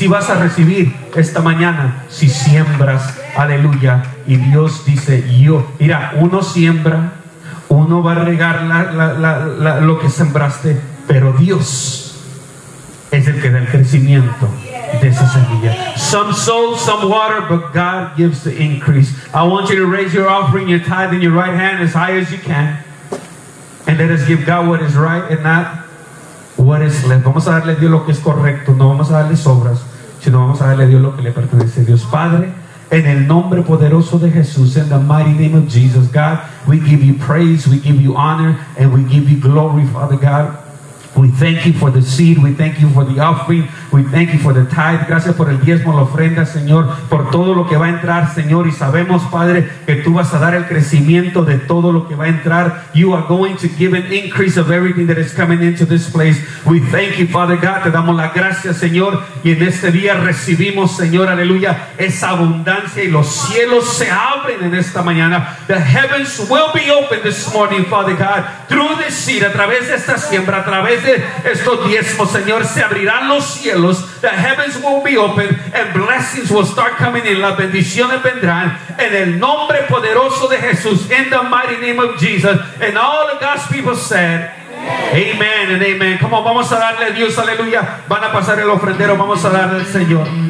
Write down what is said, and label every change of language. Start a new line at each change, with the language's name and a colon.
Spanish: Si vas a recibir esta mañana, si siembras, aleluya. Y Dios dice, yo. Mira, uno siembra, uno va a regar lo que sembraste, pero Dios es el que da el crecimiento de esa semilla.
English: Some sow, some water, but God gives the increase. I want you to raise your offering, your tithe in your right hand as high as you can. And let us give God what is right and not what is left.
Spanish: Vamos a darle a Dios lo que es correcto. No vamos a darle sobras, sino vamos a darle a Dios lo que le pertenece. Dios Padre, en el nombre poderoso de Jesús,
English: in the mighty name of Jesus, God, we give you praise, we give you honor, and we give you glory, Father God. We thank you for the seed, we thank you for the offering, we thank you for the tithe.
Spanish: Gracias por el diezmo, la ofrenda, Señor, por todo lo que va a entrar, Señor. Y sabemos, Padre, que tú vas a dar el crecimiento de todo lo que va a entrar.
English: You are going to give an increase of everything that is coming into this place. We thank you, Father God.
Spanish: Te damos la gracia, Señor. Y en este día recibimos, Señor, aleluya, esa abundancia. Y los cielos se abren en esta mañana.
English: The heavens will be open this morning, Father God, through this seed,
Spanish: a través de esta siembra, a través de estos diezmos, Señor, se abrirán los cielos.
English: The heavens will be open and blessings will start coming in.
Spanish: Las bendiciones vendrán en el nombre poderoso de Jesús,
English: in the mighty name of Jesus. And all of God's people said amen and amen. Come on,
Spanish: vamos a darle a Dios, aleluya. Van a pasar el ofrendero, vamos a darle al Señor.